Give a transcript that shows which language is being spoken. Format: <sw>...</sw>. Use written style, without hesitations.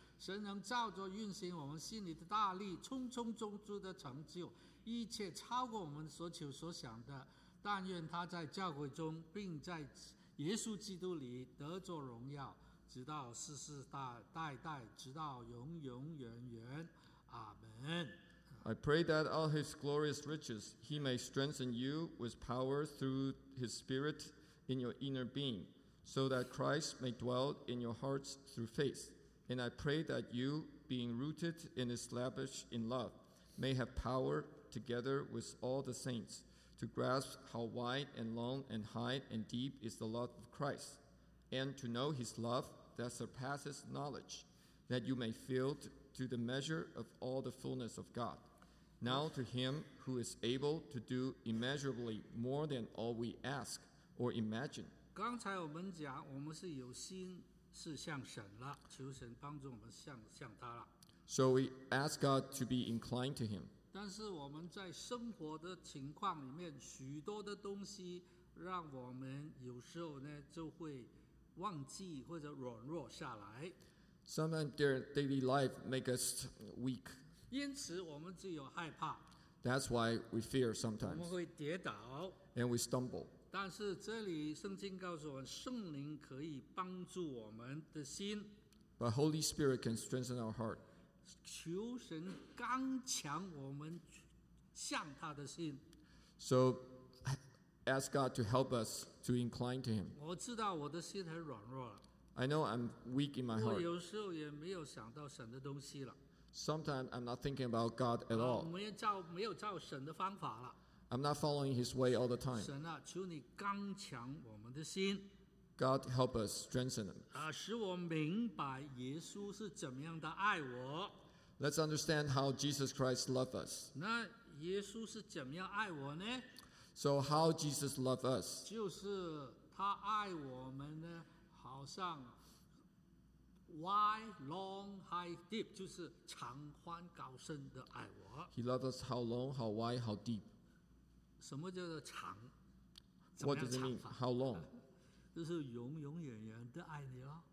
<zh>神能照着运行我们心里的大力，充充充足的成就一切超过我们所求所想的，但愿他在教会中并在耶稣基督里得着荣耀，直到世世代代代，直到永永远远，阿门。</zh> <en>I pray that all his glorious riches he may strengthen you with power through his spirit in your inner being, so that Christ may dwell in your hearts through faith. And I pray that you, being rooted and established in love, may have power together with all the saints to grasp how wide and long and high and deep is the love of Christ, and to know his love that surpasses knowledge, that you may feel to the measure of all the fullness of God. Now to him who is able to do immeasurably more than all we ask or imagine.</en> <zh>刚才我们讲我们是有心是向神了，求神帮助我们 向他了。</zh> <en>So we ask God to be inclined to him.</en> <zh>但是我们在生活的情况里面，许多的东西让我们有时候呢就会忘记或者软弱下来。</zh> <en>Sometimes their daily life makes us weak.</en> <zh>因此我们只有害怕。</zh> <en>That's why we fear sometimes.</en> <zh>我们会跌倒。</zh> <en>And we stumble.</en> <zh>但是这里圣经告诉我们，圣灵可以帮助我们的心。</zh> <en>But Holy Spirit can strengthen our heart.</en> <zh>求神刚强我们向他的心。</zh> <en>So ask God to help us to incline to him.</en> <zh>我知道我的心很软弱了。</zh> <en>I know I'm weak in my heart.</en> <zh>我有时候也没有想到神的东西了。</zh> <en>Sometimes I'm not thinking about God at all.</en> <zh>没有照神的方法了。</zh> <en>I'm not following his way all the time.</en> <zh>神啊，求你刚强我们的心。</zh> <en>God help us strengthen them.</en> <zh>使我明白耶稣是怎么样的爱我。</zh> <en>Let's understand how Jesus Christ loved us.</en> <zh>那耶稣是怎么样爱我呢？</zh> <en>So how Jesus loved us?</en> <zh>就是他爱我们呢，好像</zh> <en>Wide, long, high, deep,</en> <zh>就是长宽高深的爱我。</zh> <en>He loved us how long, how wide, how deep.</en> <zh>什么叫做长？</zh> <en>What does it mean? How long?</en> <zh>就是永永远远的爱你咯。</zh>